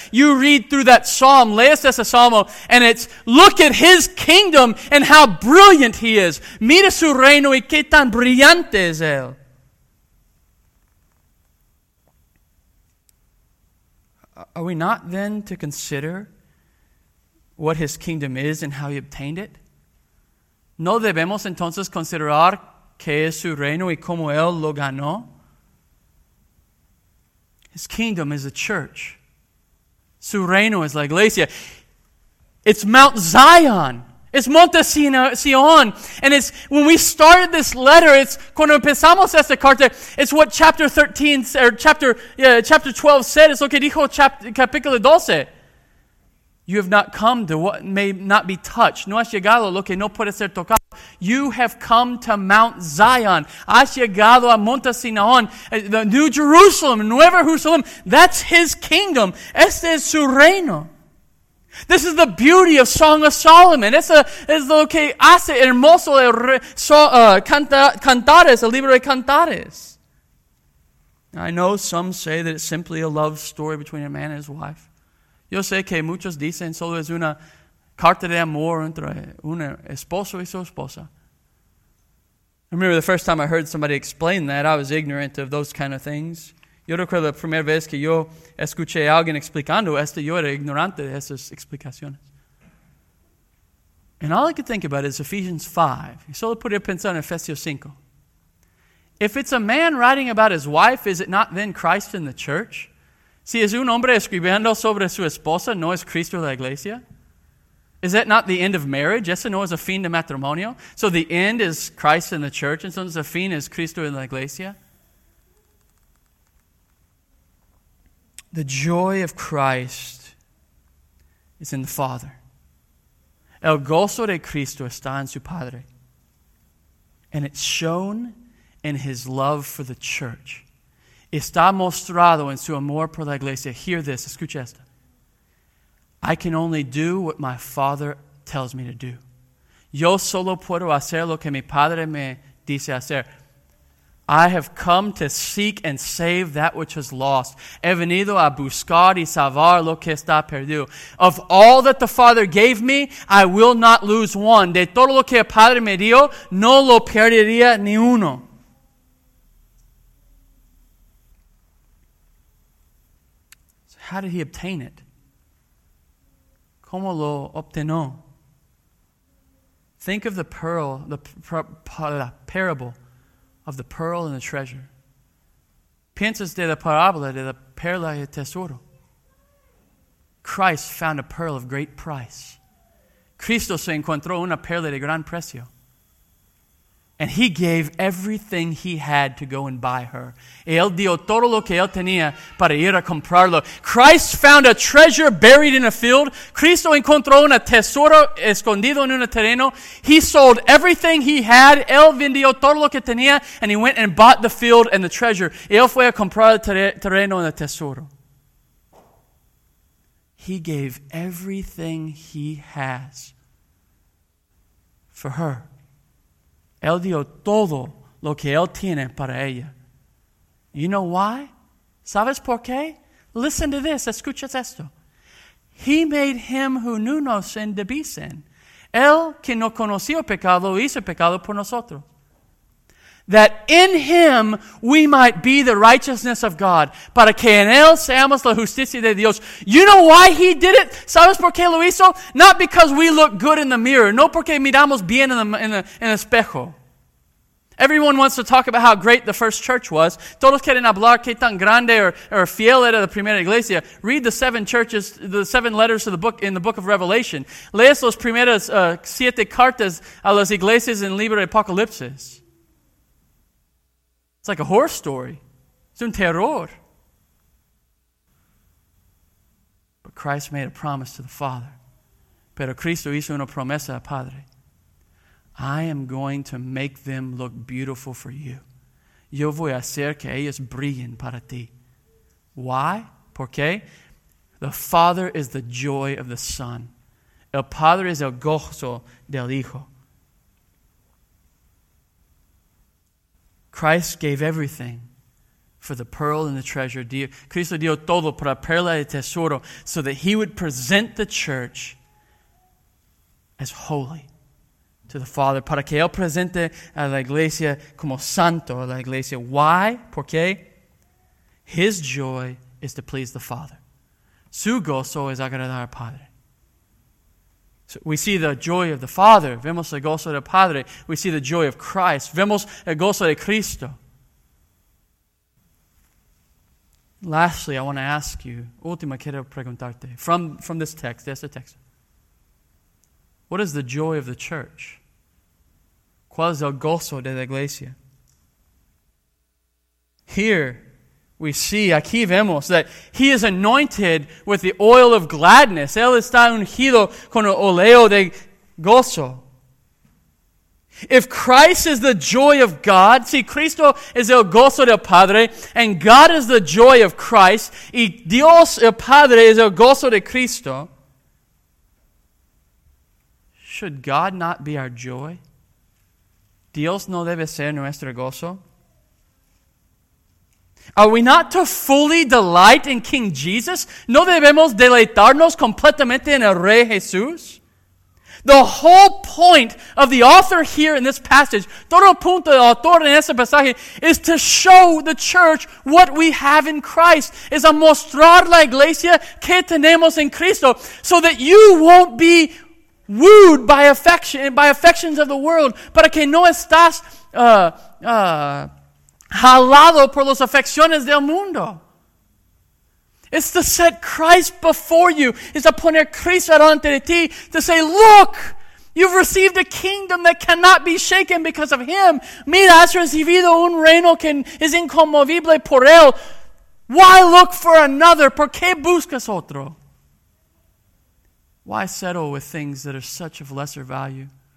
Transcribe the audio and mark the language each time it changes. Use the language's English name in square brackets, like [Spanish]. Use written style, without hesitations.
[English] You read through that psalm, [Spanish] lees ese salmo, [English] and it's, look at his kingdom and how brilliant he is. [Spanish] Mira su reino y qué tan brillante es él. [English] Are we not then to consider what his kingdom is and how he obtained it? [Spanish] No debemos entonces considerar ¿qué es su reino y cómo él lo ganó? [English] His kingdom is a church. [Spanish] Su reino es la iglesia. [English] It's Mount Zion. It's Monte Sion. And it's when we started this letter, it's [Spanish] cuando empezamos esta carta, [English] it's what chapter 12 said. It's [Spanish] lo que dijo capítulo 12. [English] You have not come to what may not be touched. [Spanish] No has llegado lo que no puede ser tocado. [English] You have come to Mount Zion. [Spanish] Has llegado a Monte Sinaón. [English] The New Jerusalem, Nueva Jerusalem. That's His kingdom. [Spanish] Este es su reino. [English] This is the beauty of Song of Solomon. [Spanish] Es lo que hace hermoso el Cantares, el libro de Cantares. [English] I know some say that it's simply a love story between a man and his wife. [Spanish] Yo sé que muchos dicen solo es una carta de amor entre un esposo y su esposa. [English] I remember the first time I heard somebody explain that, I was ignorant of those kind of things. [Spanish] Yo recuerdo la primera vez que yo escuché a alguien explicando esto, yo era ignorante de esas explicaciones. [English] And all I could think about is Ephesians 5. [Spanish] Y solo podía pensar en Efesios 5. [English] If it's a man writing about his wife, is it not then Christ in the church? [Spanish] Si es un hombre escribiendo sobre su esposa, ¿no es Cristo la iglesia? Is that not the end of marriage? Ese no es el fin de matrimonio. So the end is Christ in the church, and so the fin is Cristo en la iglesia. [English] The joy of Christ is in the Father. [Spanish] El gozo de Cristo está en su Padre. [English] And it's shown in His love for the church. [Spanish] Está mostrado en su amor por la iglesia. [English] Hear this, [Spanish] escucha esto. [English] I can only do what my Father tells me to do. [Spanish] Yo solo puedo hacer lo que mi Padre me dice hacer. [English] I have come to seek and save that which is lost. [Spanish] He venido a buscar y salvar lo que está perdido. [English] Of all that the Father gave me, I will not lose one. [Spanish] De todo lo que el Padre me dio, no lo perdería ni uno. [English] So how did He obtain it? [Spanish] ¿Cómo lo obtenó? [English] Think of the parable. Of the pearl and the treasure. [Spanish] Piensas de la parábola de la perla y el tesoro. [English] Christ found a pearl of great price. [Spanish] Cristo se encontró una perla de gran precio. [English] And He gave everything He had to go and buy her. [Spanish] Él dio todo lo que él tenía para ir a comprarlo. [English] Christ found a treasure buried in a field. [Spanish] Cristo encontró un tesoro escondido en un terreno. [English] He sold everything He had. [Spanish] Él vendió todo lo que tenía. [English] And He went and bought the field and the treasure. [Spanish] Él fue a comprar el terreno and el tesoro. [English] He gave everything He has for her. [Spanish] Él dio todo lo que Él tiene para ella. [English] You know why? [Spanish] ¿Sabes por qué? [English] Listen to this. [Spanish] Escuchas esto. [English] He made Him who knew no sin to be sin. [Spanish] Él que no conoció pecado, hizo pecado por nosotros. [English] That in Him we might be the righteousness of God. [Spanish] Para que en Él seamos la justicia de Dios. [English] You know why He did it? [Spanish] ¿Sabes por qué lo hizo? [English] Not because we look good in the mirror. [Spanish] No porque miramos bien en el espejo. [English] Everyone wants to talk about how great the first church was. [Spanish] Todos quieren hablar qué tan grande o fiel era la primera iglesia. [English] Read the seven letters of the book in the book of Revelation. [Spanish] Lees las primeras siete cartas a las iglesias en el libro de Apocalipsis. [English] It's like a horror story. It's [Spanish] un terror. [English] But Christ made a promise to the Father. [Spanish] Pero Cristo hizo una promesa al Padre. [English] I am going to make them look beautiful for you. [Spanish] Yo voy a hacer que ellos brillen para ti. Why? ¿Por qué? [English] The Father is the joy of the Son. [Spanish] El Padre es el gozo del Hijo. [English] Christ gave everything for the pearl and the treasure. Cristo dio todo para perla y tesoro so that He would present the church as holy to the Father. [Spanish] Para que Él presente a la iglesia como santo a la iglesia. [English] Why? [Spanish] ¿Por qué? [English] His joy is to please the Father. [Spanish] Su gozo es agradar al Padre. [English] So we see the joy of the Father. [Spanish] Vemos el gozo del Padre. [English] We see the joy of Christ. [Spanish] Vemos el gozo de Cristo. [English] Lastly, I want to ask you, [Spanish] última quiero preguntarte, [English] from this text, [Spanish] de este texto. [English] What is the joy of the church? [Spanish] ¿Cuál es el gozo de la iglesia? [English] Here, we see, [Spanish] aquí vemos, [English] that he is anointed with the oil of gladness. [Spanish] Él está ungido con el óleo de gozo. [English] If Christ is the joy of God, [Spanish] si Cristo es el gozo del Padre, [English] and God is the joy of Christ, [Spanish] y Dios el Padre es el gozo de Cristo, [English] should God not be our joy? [Spanish] Dios no debe ser nuestro gozo? [English] Are we not to fully delight in King Jesus? [Spanish] ¿No debemos deleitarnos completamente en el Rey Jesús? [English] The whole point of the author here in this passage, [Spanish] todo el punto del autor en este pasaje, [English] is to show the church what we have in Christ. [Spanish] Es a mostrar la iglesia que tenemos en Cristo, [English] so that you won't be wooed by affection, by affections of the world, [Spanish] para que no estás jalado por las afecciones del mundo. [English] It's to set Christ before you. It's to [Spanish] poner Cristo delante de ti. [English] To say, look, you've received a kingdom that cannot be shaken because of him. [Spanish] Mira, has recibido un reino que es inconmovible por él. Why look for another? ¿Por qué buscas otro? [English] Why settle with things that are such of lesser value?